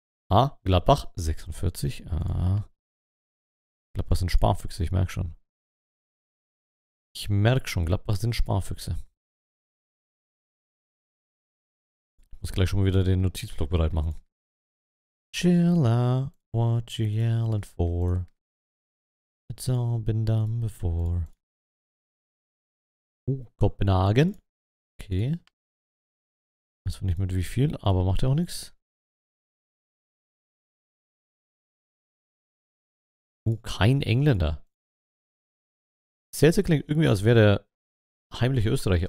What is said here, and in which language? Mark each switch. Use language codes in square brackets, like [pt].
[de] Ah, Gladbach, 46. Ah. Gladbach sind Sparfüchse, ich merke schon. Gladbach sind Sparfüchse. Ich muss gleich schon mal wieder den Notizblock bereit machen. [en] Chill out, what you yelling for? It's all been done before. [de] Kopenhagen. Okay. Weiß noch nicht mit wie viel, aber macht ja auch nichts. Kein Engländer. Seltzer klingt irgendwie, als wäre der heimliche Österreicher.